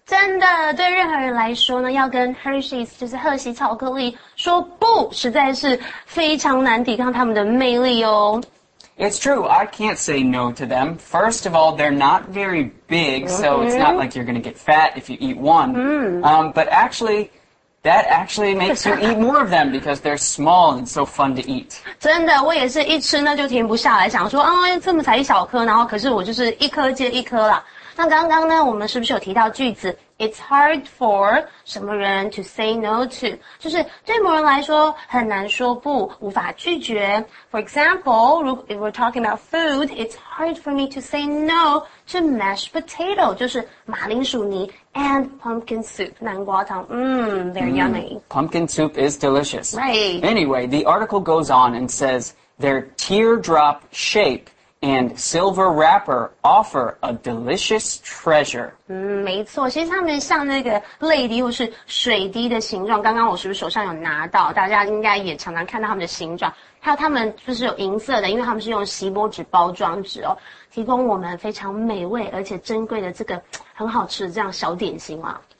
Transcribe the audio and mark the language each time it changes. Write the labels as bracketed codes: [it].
[zh] 真的，对任何人来说呢，要跟 Hershey's 就是赫奇巧克力说不，实在是非常难抵抗他们的魅力哦。 [en] It's true. I can't say no to them. First of all, they're not very big, so it's not like you're going to get fat if you eat one. But actually, that actually makes you eat more of them because they're small and so fun to eat. [zh] 真的，我也是一吃呢就停不下来，想说啊，这么才一小颗，然后可是我就是一颗接一颗啦。那刚刚呢，我们是不是有提到句子 ？ [en] It's hard for [zh] 什么人 [en] to say no to， [zh] 就是对某人来说很难说不，无法拒绝。 [en] For example， if we're talking about food， it's hard for me to say no to mashed potato， [zh] 就是马铃薯泥 [en] and pumpkin soup， [zh] 南瓜汤。 [en] They're yummy. Pumpkin soup is delicious. Right. Anyway， the article goes on and says their teardrop shape and silver wrapper offer a delicious treasure. [zh] 没错，其实它们像那个泪滴或是水滴的形状，刚刚我是不是手上有拿到？大家应该也常常看到它们的形状，还有它们就是有银色的，因为它们是用锡箔纸包装纸哦，提供我们非常美味而且珍贵的这个很好吃的这样小点心啊。